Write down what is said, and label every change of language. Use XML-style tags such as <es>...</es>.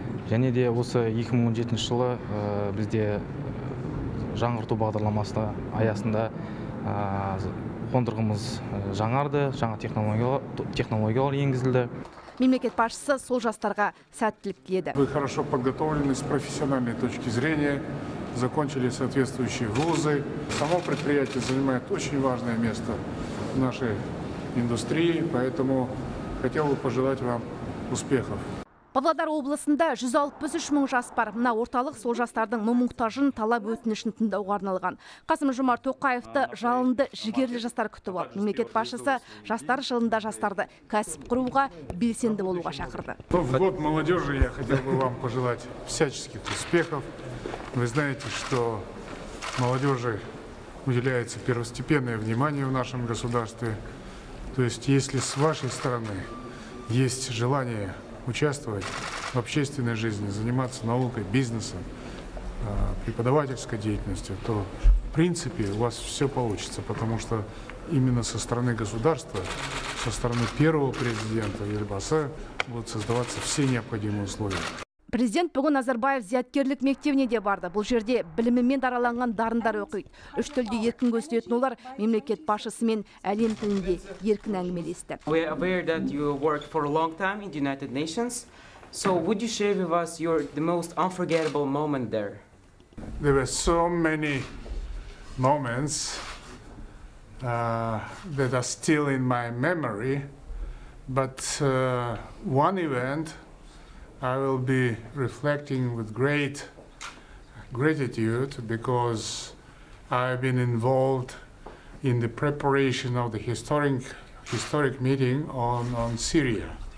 <kk>Және де осы 2017 жылы бізде жаңғырту бағдарламасы аясында қондырғымыз жаңарды, жаңа технологиялар енгізілді. Мемлекет басшысы сол жастарға сәттілік тіледі.</kk> <ru>Вы хорошо подготовлены с профессиональной точки зрения. Закончили соответствующие вузы. Само предприятие занимает очень важное место в нашей индустрии, поэтому хотел бы пожелать вам успехов.</ru> <kk>Павлодар облысында 163 мың жас бар. Мына орталық сол жастардың мұң-мұқтажын талап өтінішін тыңдауға арналған. Қасым-Жомарт Тоқаевты жалынды жігерлі жастар күтіп алды. Мемлекет басшысы жастар жылында жастарды кәсіп құруға белсенді болуға шақырды.</kk> <ru>В год молодежи я хотел бы вам пожелать всяческих успехов. Вы знаете, что молодежи уделяется первостепенное внимание в нашем государстве. То есть, если с вашей стороны есть желание участвовать в общественной жизни, заниматься наукой, бизнесом, преподавательской деятельностью, то, в принципе, у вас все получится, потому что именно со стороны государства, со стороны первого президента Елбасы будут создаваться все необходимые условия.</ru> <kk>Президент бүгін Назарбаев зияткерлік мектебіне де барды. Бұл жерде біліммен дараланған дарындар оқиды. Үш тілде еркін көрсетін олар мемлекет башысымен әлем тілінде еркін әңгімелесті.</kk> <en>We are aware that you work for a long time in the United Nations. So would you share with us your the most unforgettable moment there? There were so many moments that are still in my memory, but one event I will be reflecting with great gratitude because I've been involved in the preparation of the historic meeting on Syria.</en>